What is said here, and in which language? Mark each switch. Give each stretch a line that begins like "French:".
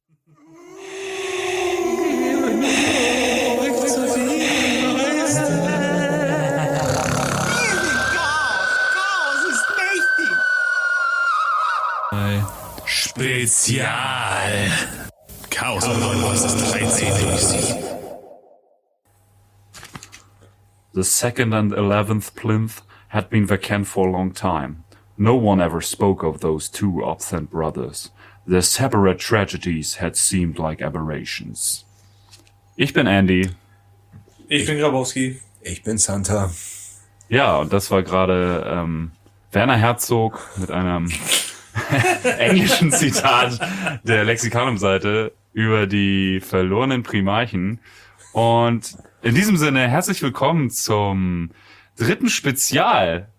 German: Chaos ist mächtig! Spezial! Chaos und Neumann ist 13 durchsichtig.
English: The second and 11th plinth had been vacant for a long time. No one ever spoke of those two absent brothers. Their separate tragedies had seemed like aberrations.
German: Ich bin Andy. Ich bin Grabowski. Ich bin Santa. Ja, und das war gerade Werner Herzog mit einem englischen Zitat der Lexikanum-Seite über die verlorenen Primarchen. Und in diesem Sinne, herzlich willkommen zum dritten Spezial.